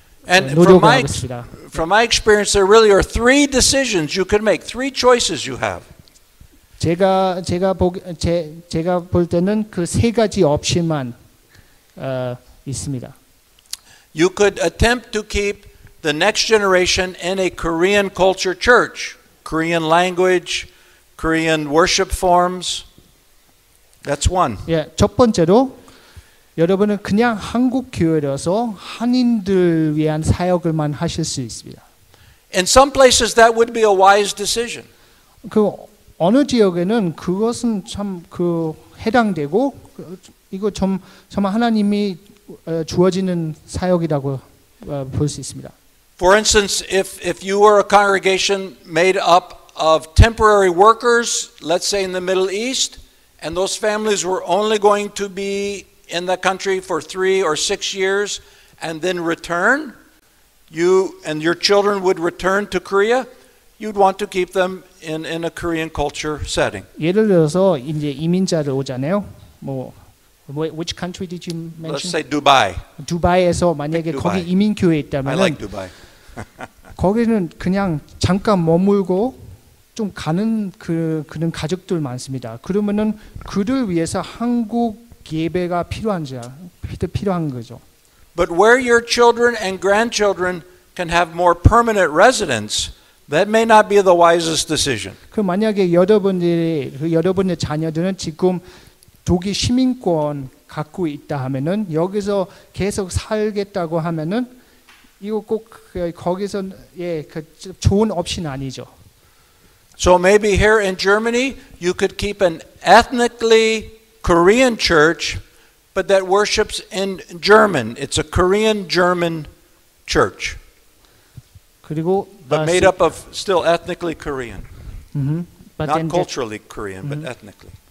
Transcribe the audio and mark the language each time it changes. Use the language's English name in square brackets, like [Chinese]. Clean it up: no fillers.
[English] And from my experience, there really are three decisions you can make, three choices you have. [Korean] 제가 볼 때는 그 세 가지 옵션만 있습니다. [English] You could attempt to keep the next generation in a Korean culture church, Korean language, Korean worship forms. That's one. [Korean] 예, 첫 번째로. 여러분은 그냥 한국 교회라서 한인들 위한 사역을만 하실 수 있습니다. [English] In some places that would be a wise decision. [Korean] 그 어느 지역에는 그것은 참 그 해당되고 이거 좀 정말 하나님이 주어지는 사역이라고 볼 수 있습니다. [English] For instance, if you were a congregation made up of temporary workers, let's say in the Middle East, and those families were only going to be in that country for 3 or 6 years and then return, you and your children would return to Korea, you'd want to keep them in a Korean culture setting. [Korean] 예를 들어서 이제 이민자를 오잖아요. [English] 뭐 which country did you mention? Let's say Dubai. [Korean] 두바이에서 만약에 Dubai. 거기 이민교회 있다면 [English] I like Dubai. [Korean] 거기는 그냥 잠깐 머물고 좀 가는 그런 가족들 많습니다. 그러면은 그들 위해서 한국 예배가 필요한 거죠. [English] But where your children and grandchildren can have more permanent residence, that may not be the wisest decision. [Korean] 그 만약에 여러분의 자녀들은 지금 독일 시민권 갖고 있다 하면은 여기서 계속 살겠다고 하면은 이거 꼭 거기서 예 그 좋은 옵션 아니죠. [English] So maybe here in Germany, you could keep an ethnically Korean church, but that worships in German. It's a Korean-German church, [Korean] 그리고, [English] but made up of still ethnically Korean, not culturally Korean, but ethnically.